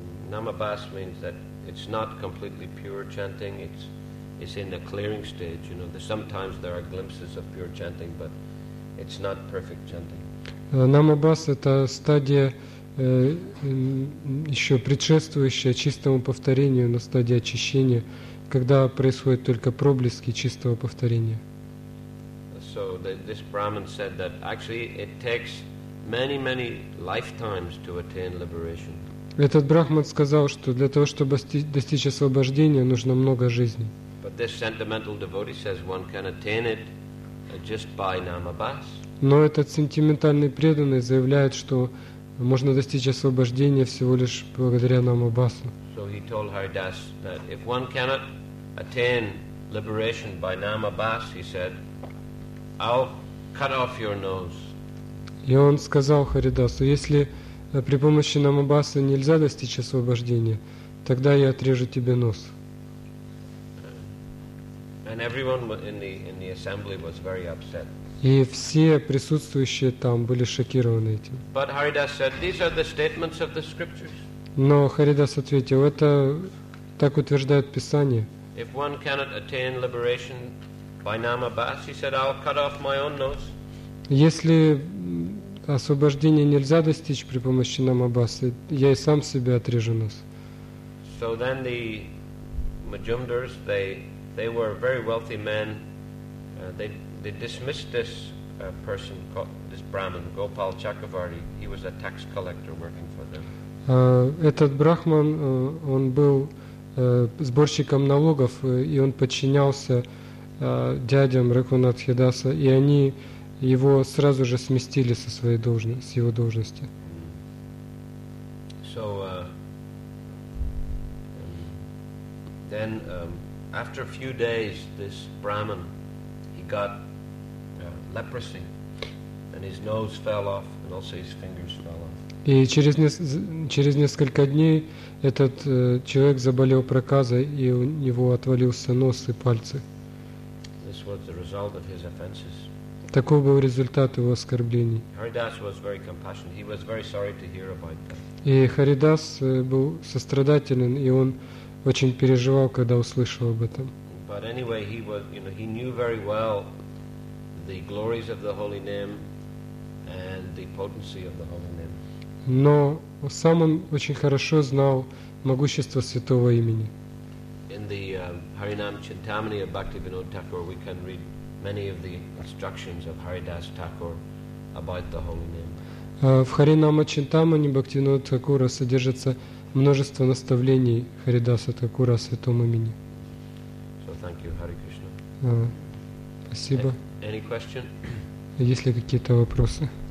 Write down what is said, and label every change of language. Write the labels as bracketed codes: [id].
[en] Nama bas means that it's not completely pure chanting. It's in the clearing stage, you know. Sometimes there are glimpses of pure chanting, but it's not perfect chanting. [ru] Намабас – это стадия, еще предшествующая чистому повторению, на стадии очищения, когда происходят только проблески чистого повторения. [en] So this Brahman said that actually it takes many, many lifetimes to attain liberation. [ru] Этот Брахман сказал, что для того, чтобы достичь освобождения, нужно много жизней. [en] But this sentimental devotee says one can attain it just by nama bas. [ru] Но этот сентиментальный преданный заявляет, что можно достичь освобождения всего лишь благодаря нама басу. [en] So he told Haridas that if one cannot attain liberation by nama bas, he said, I'll cut off your nose. [ru] И он сказал Харидасу, если при помощи нама баса нельзя достичь освобождения, тогда я отрежу тебе нос. [en] And everyone in the assembly was very upset. [ru] И все присутствующие там были шокированы этим. [en] But Haridas said, "These are the statements of the scriptures." [ru] Но Харидас ответил, это так утверждает Писание. [en] If one cannot attain liberation by Namabas, he said, "I'll cut off my own nose." [ru] Если освобождение нельзя достичь при помощи Намабаса, я и сам себе отрежу нос. [en] So then the Majumdars, they were very wealthy men. They dismissed this person, this Brahmin, Gopal Chakravarti. He was a tax collector working for them. [ru] Этот брахман, он был сборщиком налогов, и он подчинялся дядям Рагхунатха Даса, и они его сразу же сместили со своей должности, с его должности. [en] So, then, after a few days, this Brahmin, he got leprosy, and his nose fell off, and also his fingers fell off. [ru] И через несколько дней этот человек заболел проказой, и у него отвалился нос и пальцы. [en] This was the result of his offenses. [ru] Таков был результат его оскорблений. [en] Haridas was very compassionate. He was very sorry to hear about that. [ru] И Харидас был сострадателен, и он очень переживал, когда услышал об этом. [en] But anyway, he was, you know, he knew very well the glories of the holy name and the potency of the holy name. [ru] Но сам он очень хорошо знал могущество святого имени. [en] In the Harinam Chintamani of Bhaktivinoda Thakur, we can read many of the instructions of Haridas Thakur about the holy name. [ru] В Харинама Чинтамани Бхактивинода Такура содержится множество наставлений Харидаса Такура о святом имени. [en] So thank you, Hare Krishna. [ru] Спасибо. [en] Any question? [ru] Есть ли какие-то вопросы?